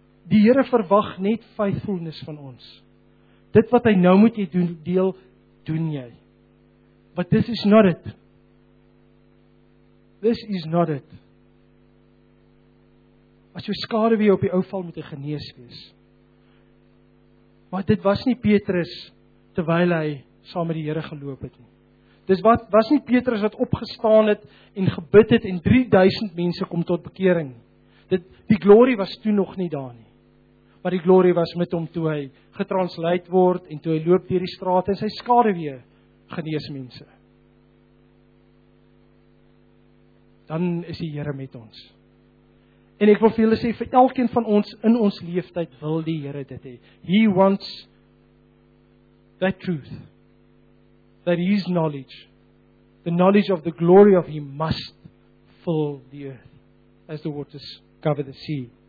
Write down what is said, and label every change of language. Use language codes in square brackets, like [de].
[af] die Here verwag net faithfulness van ons. Dit wat hy nou moet jy doen, deel, doen jy. [en] But this is not it. This is not it. [af] As jou skade weer op die ou val moet hy genees wees. Maar dit was nie Petrus terwyl hy saam met die Here geloop het nie. Dis wat was nie Petrus wat opgestaan het en gebid het en 3000 mense kom tot bekering. Dit die glory was toe nog nie daar nie. Maar die glory was met hom toe hy getranslate word en toe hy loop deur die straat en sy skade weer genees mense. Dan is die Here met ons. En ek wil vir julle sê, vir elkeen van ons in ons leeftyd wil die Here dit hê. [en] He wants that truth, that his knowledge, the knowledge of the glory of him must fill the earth as the waters cover the sea.